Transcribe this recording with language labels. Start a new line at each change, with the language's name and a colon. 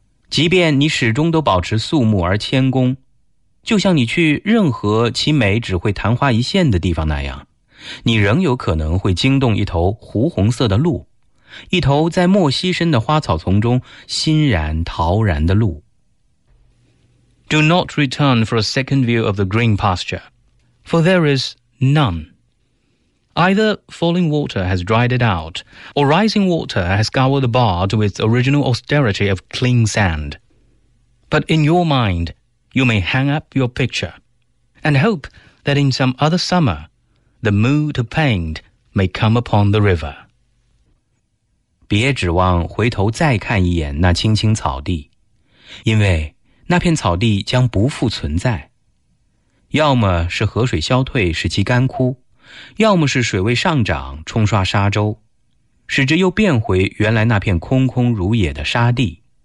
Chinese: 即便你始终都保持肃穆而谦恭，就像你去任何其美只会昙花一现的地方那样，你仍有可能会惊动一头湖红色的鹿，一头在墨西深的花草丛中欣然陶然的鹿。
English: Do not return for a second view of the green pasture, for there is none. Either falling water has dried it out, or rising water has scoured the bar to its original austerity of clean sand. But in your mind,You may hang up your picture, and hope that in some other summer, the mood to paint may come upon the river.
Chinese: 别指望回头再看一眼那青青草地，因为那片草地将不复存在。要么是河水消退使其干枯，要么是水位上涨冲刷沙洲，使之又变回原来那片空空如也的沙地。